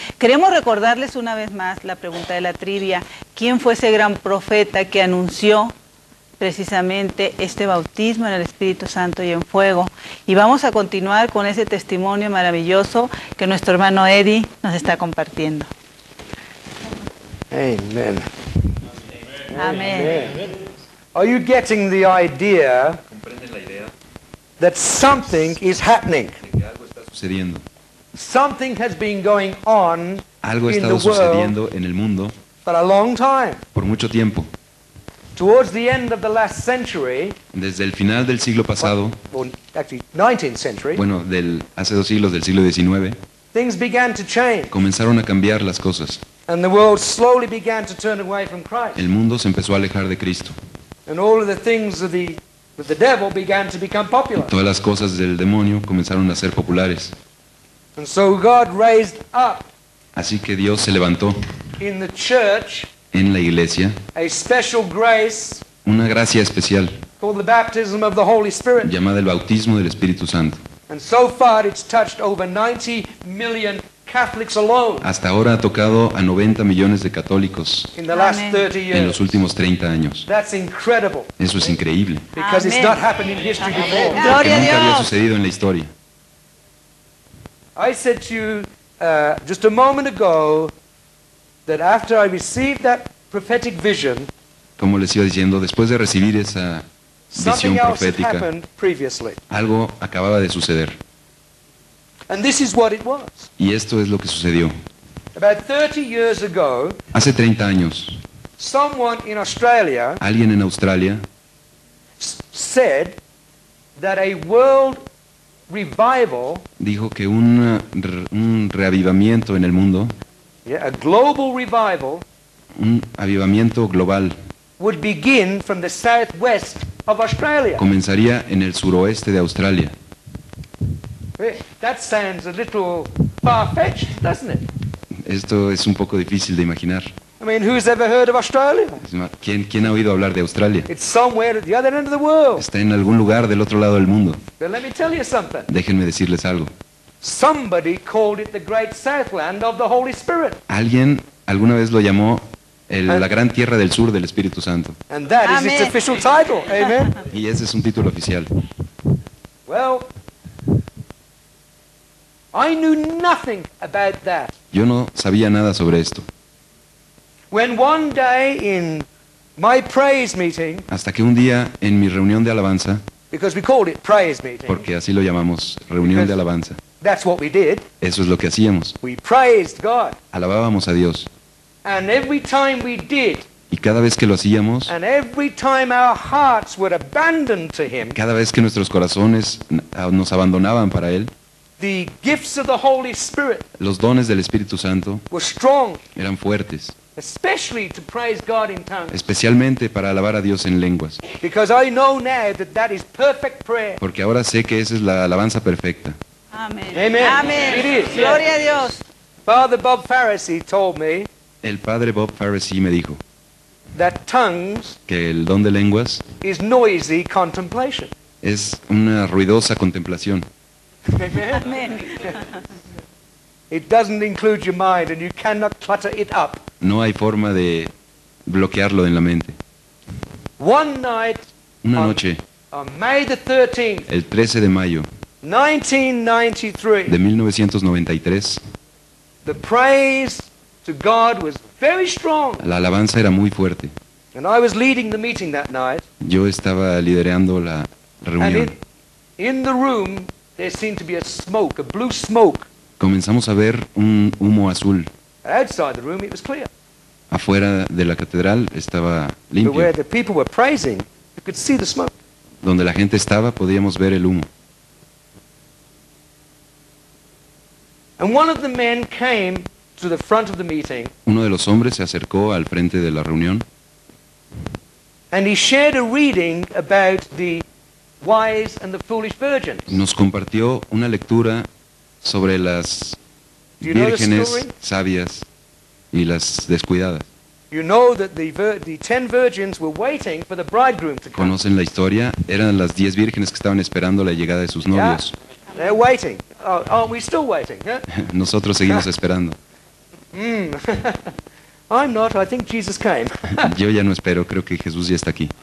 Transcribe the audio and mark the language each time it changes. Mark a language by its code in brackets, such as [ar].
[es] Queremos recordarles una vez más la pregunta de la trivia. ¿Quién fue ese gran profeta que anunció precisamente este bautismo en el Espíritu Santo y en fuego? Y vamos a continuar con ese testimonio maravilloso que nuestro hermano Eddie nos está compartiendo. Amén. Amén. [en] Are you getting the idea that something is happening? [es] Sucediendo. [en] Something has been going on. [es] Algo ha estado sucediendo en el mundo. [en] For a long time. [es] Por mucho tiempo. [en] Towards the end of the last century. [es] Desde el final del siglo pasado. [en] Actually, 19th century. [es] Bueno, hace dos siglos, del siglo 19. [en] Things began to change. [es] Comenzaron a cambiar las cosas. [en] And the world slowly began to turn away from Christ. [es] El mundo se empezó a alejar de Cristo. [en] And all of the things of the the devil began to become popular. [es] Todas las cosas del demonio comenzaron a ser populares. [en] And so God raised up. [es] Así que Dios se levantó. [en] In the church. [es] En la iglesia. [en] A special grace. [es] Una gracia especial. [en] Called the baptism of the Holy Spirit. [es] Llamada el bautismo del Espíritu Santo. [en] And so far it's touched over 90 million Catholics alone. [es] Hasta ahora ha tocado a 90 millones de católicos. [en] In the last 30 years. [es] En los últimos 30 años. [en] That's incredible. [es] Eso es increíble. [en] Because it's not happened in history before. [es] Gloria a Dios. Nunca había sucedido en la historia. [en] I said to you just a moment ago that after I received that prophetic vision, [es] como les iba diciendo, después de recibir esa visión profética, [en] something else happened previously. [es] Algo acababa de suceder. [en] And this is what it was. [es] Y esto es lo que sucedió. [en] About 30 years ago, [es] hace 30 años, [en] someone in Australia, [es] alguien en Australia, [en] said that a world revival, [es] dijo que un reavivamiento en el mundo, [en] yeah, a global revival, [es] un avivamiento global, [en] would begin from the southwest of Australia. [es] Comenzaría en el suroeste de Australia. [en] That sounds a little far-fetched, doesn't it? [es] Esto es un poco difícil de imaginar. [en] I mean, who's ever heard of Australia? [es] ¿Quién ha oído hablar de Australia? [en] It's somewhere at the other end of the world. [es] Está en algún lugar del otro lado del mundo. [en] But let me tell you something. [es] Déjenme decirles algo. [en] Somebody called it the Great Southland of the Holy Spirit. [es] Alguien alguna vez lo llamó la Gran Tierra del Sur del Espíritu Santo. [en] And that is its official title. Amen. [es] Y ese es un título oficial. [en] Well, I knew nothing about that. [es] Yo no sabía nada sobre esto. [en] When one day in my praise meeting, [es] hasta que un día en mi reunión de alabanza, [en] because we called it praise meeting, [es] porque así lo llamamos, reunión de alabanza, [en] that's what we did. [es] Eso es lo que hacíamos. [en] We praised God. [es] Alabábamos a Dios. [en] And every time we did, [es] y cada vez que lo hacíamos, [en] and every time our hearts were abandoned to him, [es] cada vez que nuestros corazones nos abandonaban para él, [en] the gifts of the Holy Spirit, [es] los dones del Espíritu Santo, [en] were strong, [es] eran fuertes, [en] especially to praise God in tongues, [es] especialmente para alabar a Dios en lenguas, [en] because I know now that that is perfect prayer, [es] porque ahora sé que esa es la alabanza perfecta. [en] Amen. Amen. Amen. It is. [es] Gloria a Dios. [en] Father Bob Farisee told me, [es] el padre Bob Farisee me dijo, [en] that tongues, [es] que el don de lenguas, [en] is noisy contemplation, [es] es una ruidosa contemplación. [en] Amen. It doesn't include your mind, and you cannot clutter it up. [es] No hay forma de bloquearlo en la mente. [en] One night, [es] una noche, [en] on May the 13th, [es] el 13 de mayo, [en] 1993, [es] de 1993, [en] the praise to God was very strong. [es] La alabanza era muy fuerte. [en] And I was leading the meeting that night. [es] Yo estaba liderando la reunión. [en] And in the room, there seemed to be a smoke, a blue smoke. [es] Comenzamos a ver un humo azul. [en] Outside the room, it was clear. [es] Afuera de la catedral estaba limpio. [en] But where the people were praising, you could see the smoke. [es] Donde la gente estaba, podíamos ver el humo. [en] And one of the men came to the front of the meeting. [es] Uno de los hombres se acercó al frente de la reunión. [en] And he shared a reading about the wise and the foolish virgins. [es] Nos compartió una lectura sobre las vírgenes sabias y las descuidadas. [en] You know that the 10 virgins were waiting for the bridegroom to come. [es] ¿Conocen la historia? Eran las 10 vírgenes que estaban esperando la llegada de sus novios. [en] Yeah, they're waiting. Oh, aren't we still waiting? Yeah? [es] Nosotros seguimos esperando. [en] I'm not, I think Jesus came. [es] Yo ya no espero, creo que Jesús ya está aquí.